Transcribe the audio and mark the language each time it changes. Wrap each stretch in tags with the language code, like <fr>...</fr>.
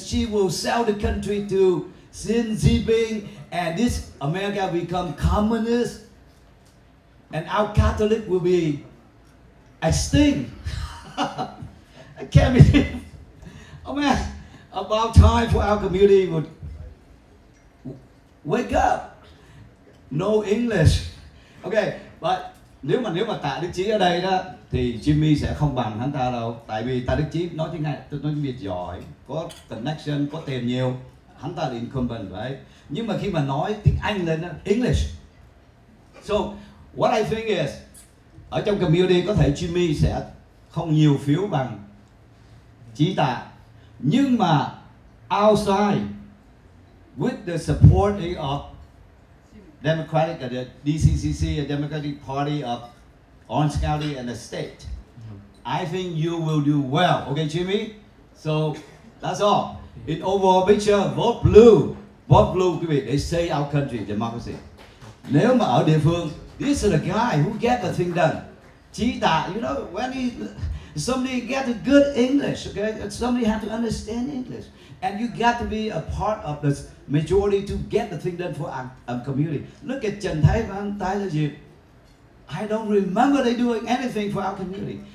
<en>She will sell the country to Xi Jinping, and this America become communist, and our Catholic will be extinct. I can't believe. Oh man, about time for our community would wake up. No English. Okay, but</en> <vi>nếu mà Tạ Đức Chí ở đây đó thì Jimmy sẽ không bằng hắn ta đâu. Tại vì Tạ Đức Chí nói tiếng Anh, tôi nói tiếng Việt giỏi, có connection, có tiền nhiều, hắn ta là incumbent, phải. Nhưng mà khi mà nói tiếng Anh lên đó, English.</vi> <en>So what I think is,</en> <vi>ở trong community có thể Jimmy sẽ không nhiều phiếu bằng Chí Tạ, nhưng mà</vi> <en>outside, with the support of Democratic, the DCCC, the Democratic Party of Orange County and the state, I think you will do well. Okay, Jimmy? So that's all. In overall picture, vote blue. Vote blue,</en> <vi>quý vị,</vi> <en>they save our country, democracy.</en> <vi>Nếu mà ở địa phương,</vi> <en>this is the guy who get the thing done. Chí Tạ, you know, when he, somebody get a good English, okay? Somebody have to understand English. And you got to be a part of this majority to get the thing done for our community. Look at Trần Thái Văn, Tài Lợi Diệp. I don't remember they doing anything for our community.</en>